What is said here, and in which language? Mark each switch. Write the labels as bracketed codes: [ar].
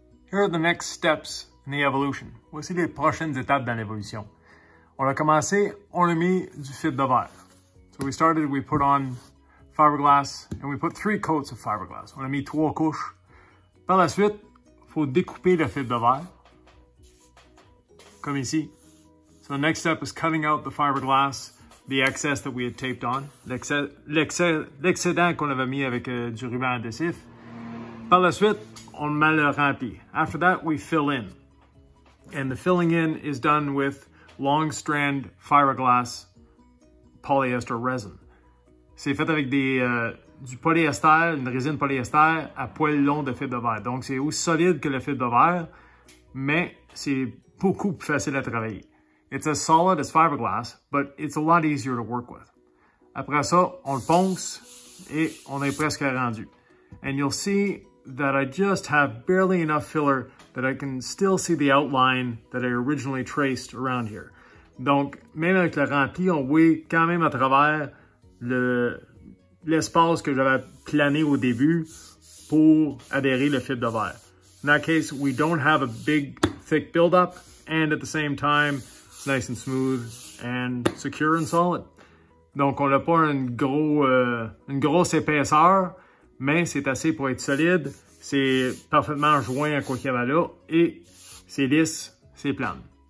[en] Here are the next steps in the evolution. [fr] Voici les prochaines étapes dans l'évolution. On a commencé, on a mis du fibre de verre. [en] So we started, we put on fiberglass, and we put three coats of fiberglass. [fr] On a mis trois couches. Par la suite, faut découper le fibre de verre, comme ici. [en] So the next step is cutting out the fiberglass, the excess that we had taped on, [fr] l'excédent qu'on avait mis avec du ruban adhésif. Par la suite, on met le rempli. [en] After that, we fill in. And the filling in is done with long strand fiberglass polyester resin. [fr] C'est fait avec du polyester, une résine polyester à poil long de fibre de verre. Donc c'est aussi solide que le fibre de verre, mais c'est beaucoup plus facile à travailler. [en] It's as solid as fiberglass, but it's a lot easier to work with. [fr] Après ça, on le ponce et on est presque rendu. [en] And you'll see that I just have barely enough filler that I can still see the outline that I originally traced around here. [fr] Donc, même avec le rempli, on voit quand même à travers l'espace que j'avais plané au début pour adhérer le fibre de verre. [en] In that case, we don't have a big, thick buildup, and at the same time, it's nice and smooth and secure and solid. [fr] Donc, on n'a pas une grosse épaisseur, mais c'est assez pour être solide. C'est parfaitement joint à quoi qu'il y avait là et c'est lisse, c'est plane.